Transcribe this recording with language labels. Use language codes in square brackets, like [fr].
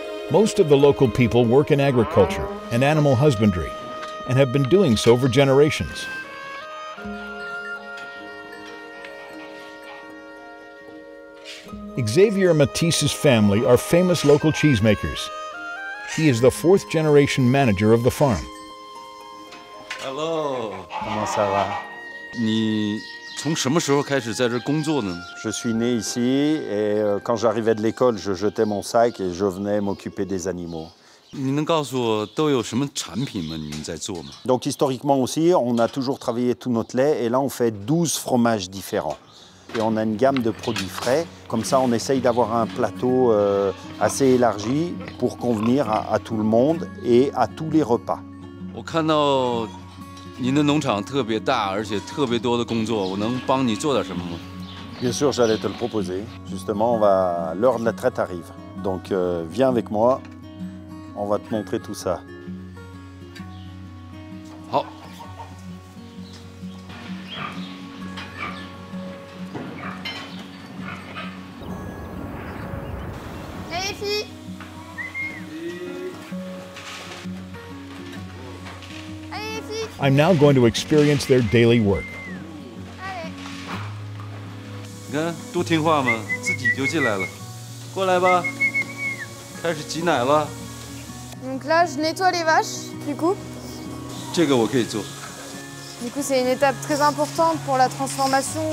[en] Most of the local people work in agriculture and animal husbandry and have been doing so for generations. Xavier Matisse's family are famous local cheesemakers. He is the fourth generation manager of the farm. Hello. [fr] Comment ça va? [zh] 你从什么时候开始在这工作呢? 我是 [fr] née ici, et quand j'arrivais de l'école, je jetais mon sac et je venais m'occuper des animaux. [zh] 你能告诉我都有什么产品吗？你们在做吗？ [fr] Donc historiquement aussi, on a toujours travaillé tout notre lait et là on fait 12 fromages différents. Et on a une gamme de produits frais. Comme ça, on essaye d'avoir un plateau assez élargi pour convenir à tout le monde et à tous les repas. Bien sûr, j'allais te le proposer. Justement, l'heure de la traite arrive. Donc, viens avec moi. On va te montrer tout ça. [en] I'm now going to experience their daily work. [fr] Donc là, je nettoie les vaches, du coup. Du coup, c'est une étape très importante pour la transformation.